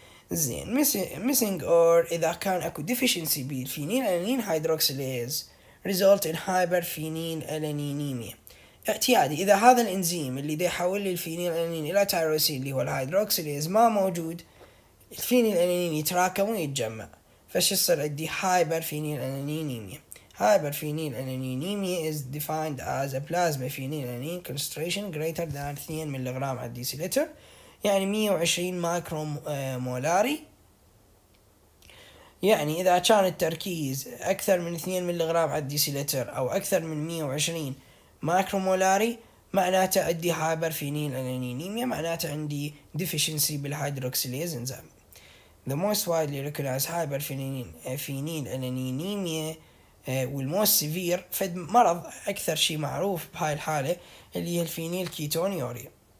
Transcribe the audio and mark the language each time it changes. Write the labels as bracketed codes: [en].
[ar] زين [en] missing or [ar] إذا كان أكو deficiency بالفينيل ألانين هيدروكسيليز [en] result in hyperphenyl alaninemia. [ar] اعتيادي إذا هذا الإنزيم اللي دي حول لي الفينيل ألانين إلى تيروسين اللي هو الهيدروكسيليز ما موجود، الفينيل ألانين يتراكم ويتجمع، فش يصير عندي hyperphenyl alaninemia. [en] hyperphenyl alaninemia is defined as a plasma phenyl alanine concentration greater than 2 milligram على decilitre, [ar] يعني 120 مايكرو مولاري. يعني إذا كان التركيز أكثر من 2 ملغرام على الديسيلتر أو أكثر من 120 مايكرو مولاري معناته عندي هايبرفينيل ألانينيميا، معناته عندي ديفيشنسي بالهيدروكسيليز إنزيم. [en] The most widely recognized [ar] hyperphenyl ألانينيميا والموست سيفير فد مرض أكثر شيء معروف بهاي الحالة اللي هي الفينيل كيتونيوريا.